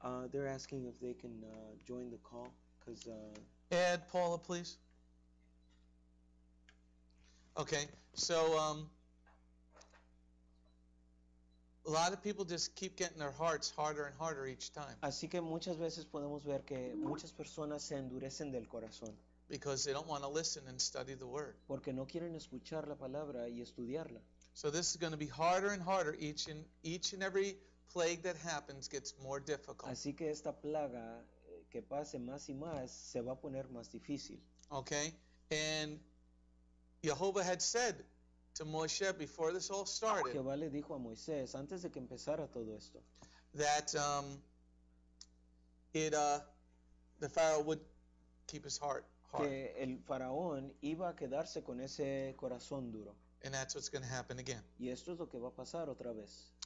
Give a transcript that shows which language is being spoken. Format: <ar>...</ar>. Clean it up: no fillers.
<en>They're asking if they can join the call, because. Add Paula, please. Okay, so a lot of people just keep getting their hearts harder and harder each time.</en> <es>Así que muchas veces podemos ver que muchas personas se endurecen del corazón.</es> <en>Because they don't want to listen and study the word.</en> <es>Porque no quieren escuchar la palabra y estudiarla.</es> <en>So this is going to be harder and harder. Each and every plague that happens gets more difficult.</en> <es>Así que esta plaga que pase más y más se va a poner más difícil.</es> <en>Okay. And Jehovah had said to Moshe before this all started.</en> <es>Jehová le dijo a Moisés antes de que empezara todo esto.</es> <en>That the Pharaoh would keep his heart.</en> <es>Que el faraón iba a quedarse con ese corazón duro.</es> <en>And that's what's going to happen again.</en> <es>Y esto es lo que va a pasar otra vez.</es>